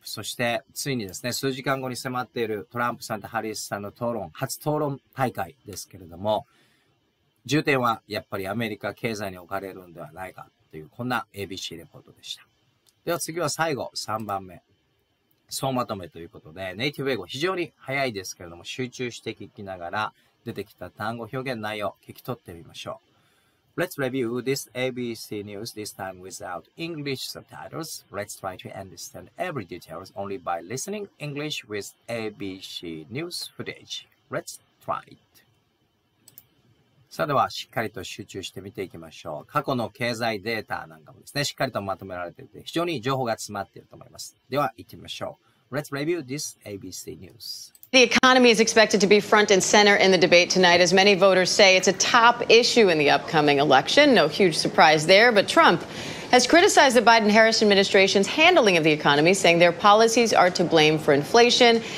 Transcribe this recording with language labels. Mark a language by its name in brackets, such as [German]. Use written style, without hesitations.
[Japanese] そしてついにですね、数時間後に迫っているトランプさんとハリスさんの討論、初討論大会ですけれども、重点はやっぱりアメリカ経済に置かれるんではないかという、こんな ABC レポートでした。では次は最後、3番目。総まとめということで、ネイティブ英語非常に早いですけれども、集中して聞きながら出てきた単語表現内容、聞き取ってみましょう。 [English] Let's review this ABC news this time without English subtitles. Let's try to understand every details only by listening English with ABC news footage. Let's try it. [Japanese] さあではしっかりと集中して見ていきましょう。過去の経済データなんかもですね、しっかりとまとめられていて非常に情報が詰まっていると思います。では行ってみましょう。 [English] Let's review this ABC news. The economy is expected to be front and center in the debate tonight, as many voters say it's a top issue in the upcoming election. No huge surprise there, but Trump has criticized the Biden-Harris administration's handling of the economy, saying their policies are to blame for inflation.